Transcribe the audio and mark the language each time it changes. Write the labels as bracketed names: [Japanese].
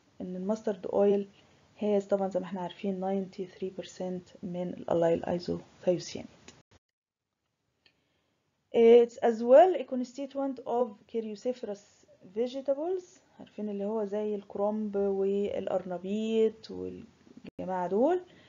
[Arabic] ان المسترد اويل هي طبعا زي ما احنا عارفين 93% من الاليل ايزوثيوسيانيد. [English] It's as well a constituent of cruciferous vegetables. [Arabic] عارفين اللي هو زي الكرومب والارنبيط والجماعة دول.